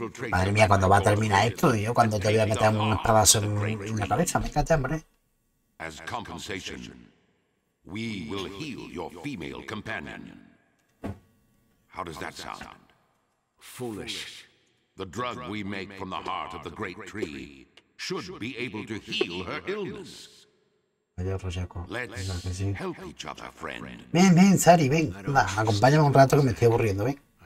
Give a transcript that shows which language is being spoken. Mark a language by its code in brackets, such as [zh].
[es] Madre mía, cuando va a terminar esto, tío, cuando te voy a meter un espadazo en la cabeza, me cate, hombre. [en] As compensation, we will heal your female companion. How does that sound? Foolish. The drug we make from the heart of the great tree should be able to heal her illness. Let's help each other, friend. [es] Ven, ven, Sari, ven. Va, acompáñame un rato que me estoy aburriendo, ven.